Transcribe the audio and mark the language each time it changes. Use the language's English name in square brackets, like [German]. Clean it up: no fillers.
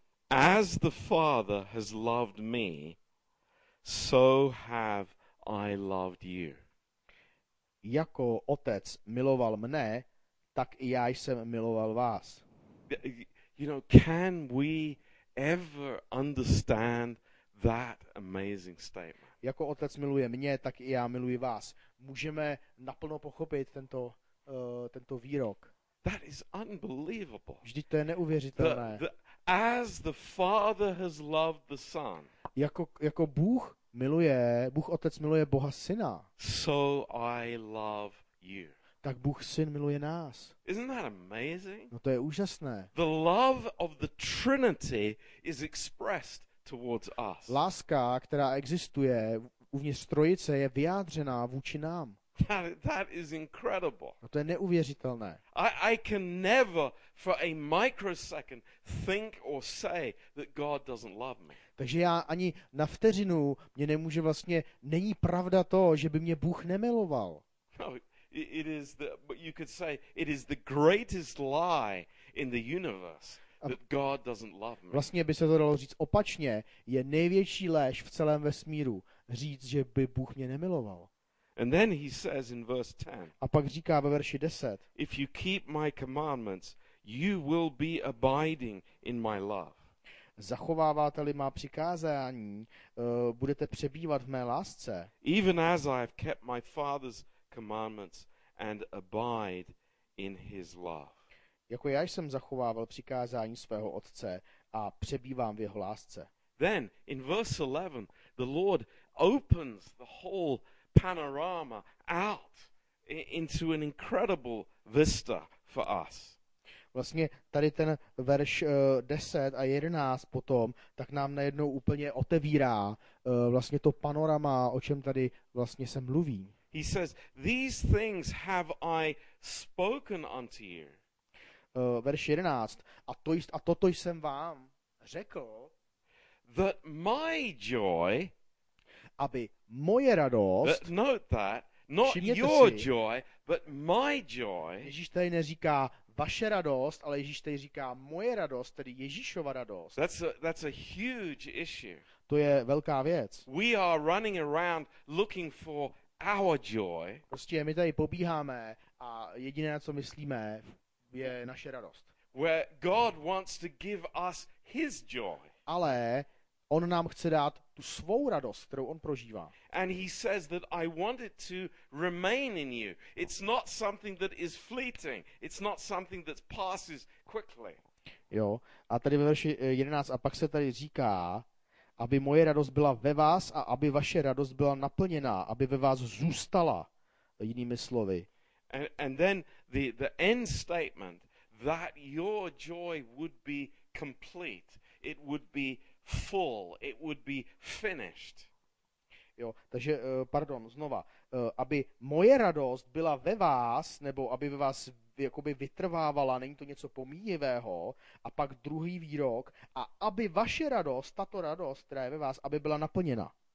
[English] As the Father has loved me, so have I loved you. [Czech] Jako otec miloval mne, tak i já jsem miloval vás. [English] You know, can we ever understand that amazing statement? [Czech] Jako otec miluje mě, tak i já miluji vás. Můžeme naplno pochopit tento tento výrok. [English] That is unbelievable. [Czech] Vždyť to je neuvěřitelné. [English] As the Father has loved the Son. [Czech] Jako Bůh miluje, Bůh otec miluje Boha syna. [English] So I love you. [Czech] Tak Bůh syn miluje nás. [English] Isn't that amazing? [Czech] No to je úžasné. [English] The love of the Trinity is expressed towards us. [Czech] Láska, která existuje uvnitř Trojice, je vyjádřená vůči nám. [English] That is incredible. [Czech] No to je neuvěřitelné. [English] I can never for a microsecond think or say that God doesn't love me. [Czech] Takže já ani na vteřinu mě nemůže vlastně není pravda to, že by mě Bůh nemiloval. [English] No, it is the, but you could say it is the greatest lie in the universe that God doesn't love me. [Czech] Vlastně by se to dalo říct opačně, je největší lež v celém vesmíru říct, že by Bůh mě nemiloval. [English] And then he says in verse 10. [Czech] A pak říká ve verši 10. [English] If you keep my commandments, you will be abiding in my love. [Czech] Zachováváte-li má přikázání, budete přebývat v mé lásce. [English] Even as I have kept my father's commandments and abide in his love. [Czech] Jako já jsem zachovával přikázání svého otce a přebývám v jeho lásce. [English] Then in verse 11, the Lord opens the whole panorama out into an incredible vista for us. [Czech] Vlastně tady ten verš 10 a 11 potom tak nám najednou úplně otevírá vlastně to panorama, o čem tady vlastně se mluví. [English] He says, "These things have I spoken unto you." [Czech] Verš 11, a toto jsem vám řekl, [English] that my joy, [Czech] aby moje radost, [English] but note that, not your si, joy, but my joy, [Czech] Ježíš tady neříká vaše radost, ale Ježíš tady říká moje radost, tedy Ježíšova radost. [English] That's a huge issue. [Czech] To je velká věc. [English] We are running around looking for our joy. [Czech] Prostě my tady pobíháme a jediné, co myslíme, je naše radost. [English] Where God wants to give us his joy. [Czech] Ale on nám chce dát tu svou radost, kterou on prožívá. [English] And he says that I want it to remain in you. It's not something that is fleeting. It's not something that passes quickly. [Czech] Jo, a tady ve verši 11 a pak se tady říká, aby moje radost byla ve vás a aby vaše radost byla naplněná, aby ve vás zůstala, jinými slovy. [English] And then the end statement that your joy would be complete. It would be full, it would be finished. [Czech] Jo, takže pardon, znova, aby moje radost byla ve vás, nebo aby ve vás jakoby vytrvávala, není to něco pomíjivého, a pak druhý výrok, a aby vaše radost, tato radost, která je ve vás, aby byla naplněna.